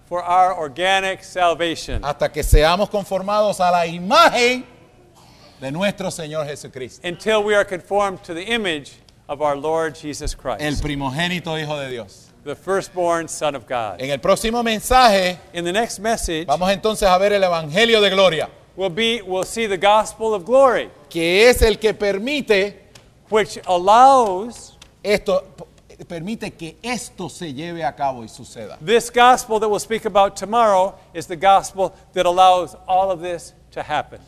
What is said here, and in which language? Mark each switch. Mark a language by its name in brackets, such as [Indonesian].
[English] For our organic salvation. [Spanish] Hasta que seamos conformados a la imagen de nuestro Señor Jesucristo. [English] Until we are conformed to the image of our Lord Jesus Christ. [Spanish] El primogénito Hijo de Dios. [English] The firstborn Son of God. [Spanish] En el próximo mensaje, [English] in the next message, [Spanish] vamos entonces a ver el Evangelio de Gloria. [English] We'll see the Gospel of Glory. [Spanish] Que es el que permite, [English] which allows, [Spanish] esto permite que esto se lleve a cabo y suceda. [English] This Gospel that we'll speak about tomorrow is the Gospel that allows all of this to happen.